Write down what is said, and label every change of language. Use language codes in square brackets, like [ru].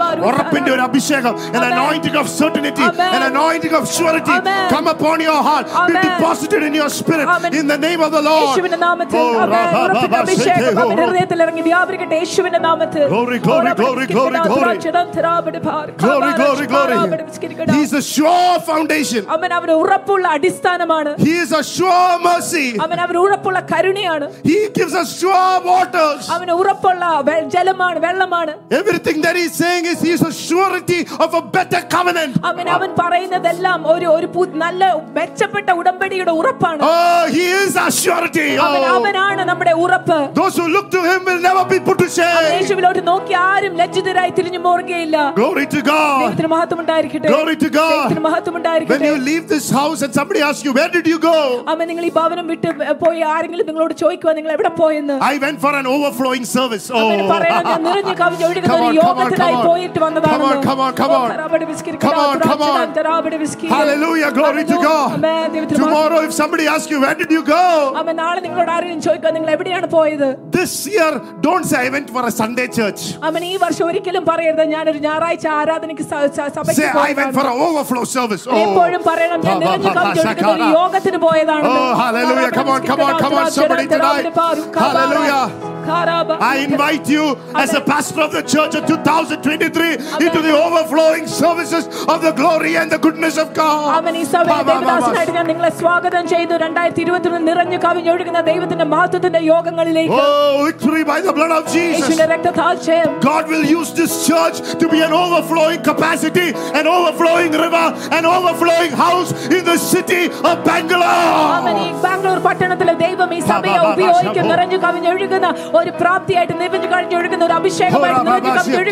[ml] ഉറപ്പിന്റെ ഒരു അഭിഷേകം, [en] an anointing of certainty, an anointing of surety come upon your heart, be deposited in your spirit in the name of the Lord. [ml] യേശുവിന്റെ നാമത്തിൽ അഭിഷേകം ഹൃദയത്തിൽ ഇറങ്ങി വ്യാപരിക്കട്ടെ. യേശുവിന്റെ നാമത്തിൽ [en] glory, glory, glory, glory, glory, glory, glory, glory. He is a sure foundation. [ml] അവൻ അവരുടെ ഉറപ്പുള്ള അടിസ്ഥാനമാണ്. [en] He is a sure mercy. [ml] അവൻ അവരുടെ ഉറപ്പുള്ള കരുണയാണ്. [en] He gives us sure waters. [ml] അവൻ ഉറപ്പുള്ള ജലമാണ്, വെള്ളമാണ്. [en] Everything that he is saying is, he is a surety of a better covenant. [ml] അവൻ പറയുന്നതെല്ലാം ഒരു ഒരു നല്ല മെച്ചപ്പെട്ട ഉടമ്പടിയുടെ ഉറപ്പാണ്. [en] Oh, he is a surety. [ml] അവനാണ് നമ്മുടെ ഉറപ്പ്. [en] Those who look to him will never be put to shame. [ml] യേശുവിലോട്ട് നോക്കി ആരും ലജ്ജിതരായി തിരിഞ്ഞു മോർഗയില്ല. [en] Glory to God. [ml] ദൈവത്തിന് മഹത്വം ഉണ്ടായിരിക്കട്ടെ. [en] Glory to God. [ml] ദൈവത്തിന് മഹത്വം ഉണ്ടായിരിക്കട്ടെ. [en] When you leave this house and somebody asks you, where did you go? [ml] അമ്മ, നിങ്ങൾ ഈ ഭവനം വിട്ട് പോയി ആരെങ്കിലും നിങ്ങളോട് ചോദിക്കുവാ, നിങ്ങൾ എവിടെ പോയെന്ന്. [en] I went for an overflowing service. Oh. [ml] അമ്മ പറയണം, ഞാൻ നിറഞ്ഞു കവിഞ്ഞൊഴുകുന്ന ഒരു യോഗത്തിലായി പോയിട്ട് വന്നതാണ്. [en] Come on, come on, come on. Come on, come on. Hallelujah. Hallelujah, glory to God. Tomorrow, if somebody asks you, where did you go? Amen. [ml] നാളെ നിങ്ങളോട് ആരെങ്കിലും ചോദിക്കുക, നിങ്ങൾ എവിടെയാണ് പോയത്? [en] This year, don't say I went for a Sunday church. [ml] അമ്മേ, ഈ വർഷം ഒരിക്കലും പറയരുത് ഞാൻ ഒരു ഞായറാഴ്ച ആരാധനയ്ക്ക് സഭയ്ക്ക് പോയി. [en] I went for an overflow service. Oh. [ml] എപ്പോഴും പറയണം ഞാൻ നിരഞ്ജനത്തിന്റെ യോഗത്തിന് പോയതാണ്. [en] Oh, hallelujah. Come on, somebody tonight. Hallelujah. I invite you as a pastor of the church of 2023 into the overflowing services of the glory and the goodness of God. Amen. [ml] ഈ സഭയിൽ നിങ്ങളെ സ്വാഗതം ചെയ്യുന്നു 2023 നിറഞ്ഞു കവിഞ്ഞൊഴുകുന്ന ദൈവത്തിന്റെ മഹത്വത്തിന്റെ യോഗങ്ങളിലേക്ക്. [en] Oh, victory by the blood of Jesus. [ml] യേശുവിന്റെ രക്തസാക്ഷ്യം. [en] God will use this church to be an overflowing capacity, an overflowing river, an overflowing house in the city of Bangalore. Amen. [ml] ഈ ബാംഗ്ലൂർ പട്ടണത്തിലെ ദൈവം ഈ സഭയെ ഉപയോഗിക്കും നിറഞ്ഞു കവിഞ്ഞൊഴുകുന്ന ഒരു പ്രാപ്തിയായിട്ട് നിവഞ്ഞു കഴിഞ്ഞ് ഒഴുകുന്ന ഒരു